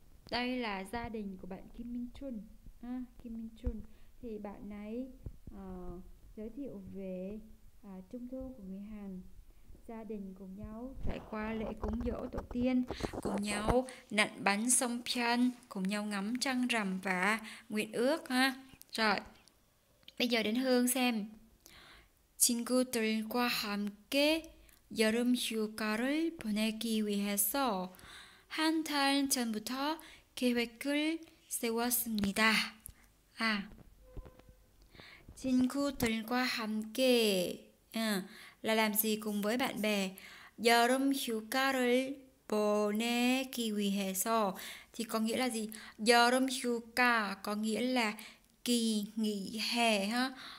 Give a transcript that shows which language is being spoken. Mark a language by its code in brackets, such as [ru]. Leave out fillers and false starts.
[vi] Đây là gia đình của bạn Kim Minh Chun. À, Kim Minh Chun thì bạn ấy giới thiệu về Trung thu của người Hàn. Gia đình cùng nhau trải qua lễ cúng giỗ tổ tiên, cùng nhau nặn bánh sông Pyeon, cùng nhau ngắm trăng rằm và nguyện ước ha. Rồi, bây giờ đến Hương xem. [ko] 친구들과 함께 여름 휴가를 보내기 위해서 한달 전부터 계획을 세웠습니다. 아, 친구들과 함께, [vi] là làm gì cùng với bạn bè. [ko] 여름 휴가를 보내기 위해서 [vi] thì có nghĩa là gì? [ko] 여름 휴가 [vi] có nghĩa là kỳ nghỉ hè ha.